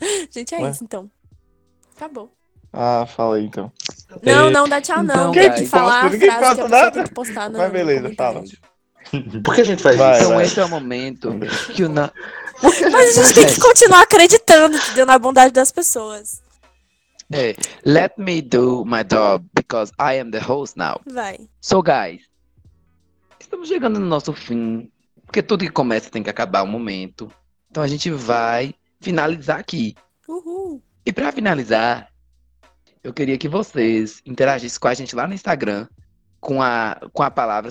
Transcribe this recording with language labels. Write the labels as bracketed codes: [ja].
[pt] Gente, isso, então. Acabou. Ah, fala aí, então. Não, dá tchau, não. Então, quem falar, ninguém posta que nada. Tem que postar nada. Mas beleza, fala. Por que a gente faz isso? Então, esse é o momento que o... Mas a gente tem que continuar acreditando na bondade das pessoas. [en] Hey, let me do my job, because I am the host now. [pt] Vai. [en] So, guys, [pt] estamos chegando no nosso fim, porque tudo que começa tem que acabar um momento. Então a gente vai finalizar aqui. Uhul. E pra finalizar, eu queria que vocês interagissem com a gente lá no Instagram, com a palavra.